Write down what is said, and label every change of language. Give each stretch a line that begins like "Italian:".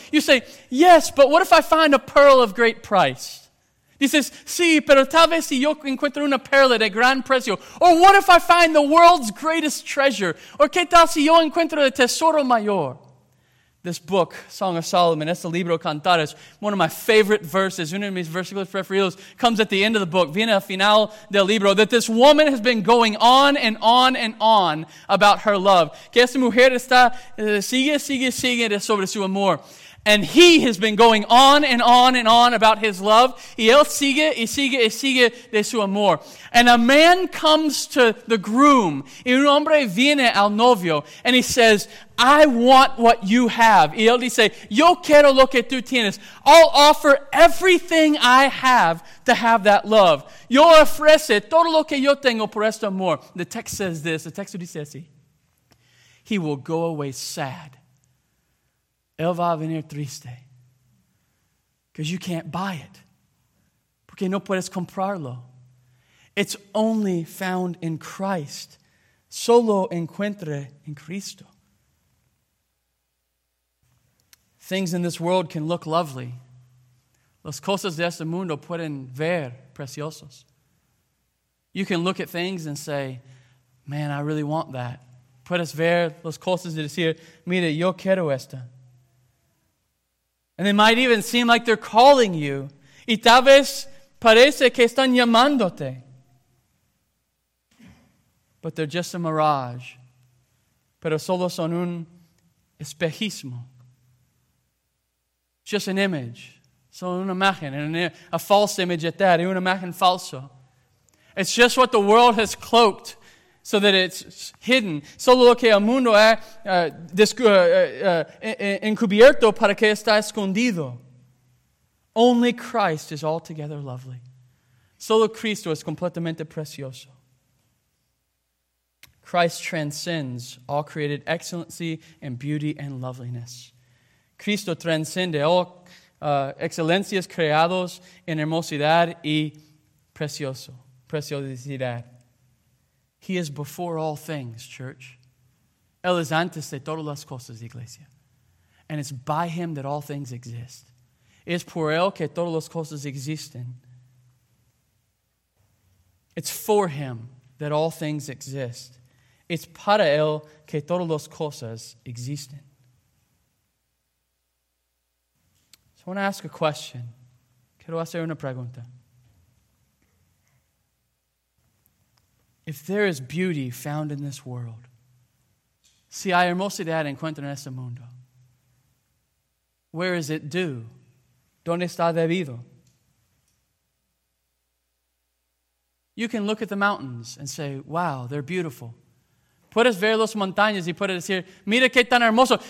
English: You say, yes, but what if I find a pearl of great price?
Spanish: Dices, sí, pero tal vez si yo encuentro una perla de gran precio.
English: Or what if I find the world's greatest treasure?
Spanish: Or qué tal si yo encuentro el tesoro mayor?
English: This book, Song of Solomon,
Spanish: es el libro Cantares,
English: one of my favorite verses,
Spanish: uno de mis versículos preferidos,
English: comes at the end of the book,
Spanish: viene al final del libro,
English: that this woman has been going on and on and on about her love.
Spanish: Que esta mujer está, sigue sobre su amor.
English: And he has been going on and on and on about his love.
Spanish: Y él sigue, y sigue, y sigue de su amor.
English: And a man comes to the groom.
Spanish: Y un hombre viene al novio.
English: And he says, I want what you have.
Spanish: Y él dice, yo quiero lo que tú tienes.
English: I'll offer everything I have to have that love.
Spanish: Yo ofrece todo lo que yo tengo por este amor.
English: The text says this. The text
Spanish: dice así.
English: He will go away sad.
Spanish: Él va a venir triste.
English: Because you can't buy it.
Spanish: Porque no puedes comprarlo.
English: It's only found in Christ.
Spanish: Solo encuentre en Cristo.
English: Things in this world can look lovely.
Spanish: Las cosas de este mundo pueden ver preciosos.
English: You can look at things and say, man, I really want that.
Spanish: Puedes ver las cosas de decir, mira, yo quiero esta.
English: And it might even seem like they're calling you.
Spanish: Y tal vez parece que están llamándote.
English: But they're just a mirage.
Spanish: Pero solo son un espejismo.
English: Just an image.
Spanish: Son una imagen.
English: A false image at that.
Spanish: Una imagen falso.
English: It's just what the world has cloaked so that it's hidden.
Spanish: Solo lo que el mundo ha encubierto para que está escondido.
English: Only Christ is altogether lovely.
Spanish: Solo Cristo es completamente precioso.
English: Christ transcends all created excellency and beauty and loveliness.
Spanish: Cristo transcende all excelencias creados en hermosidad y precioso. Preciosidad.
English: He is before all things, church.
Spanish: Él es antes de todas las cosas, iglesia.
English: And it's by Him that all things exist.
Spanish: Es por Él que todas las cosas existen.
English: It's for Him that all things exist.
Spanish: Es para Él que todas las cosas existen.
English: So I want to ask a question.
Spanish: Quiero hacer una pregunta.
English: If there is beauty found in this world,
Spanish: si hay hermosidad encuentra en este mundo,
English: where is it due?
Spanish: ¿Dónde está debido?
English: You can look at the mountains and say, wow, they're beautiful.
Spanish: Puedes ver las montañas y puedes decir, mira qué tan hermoso.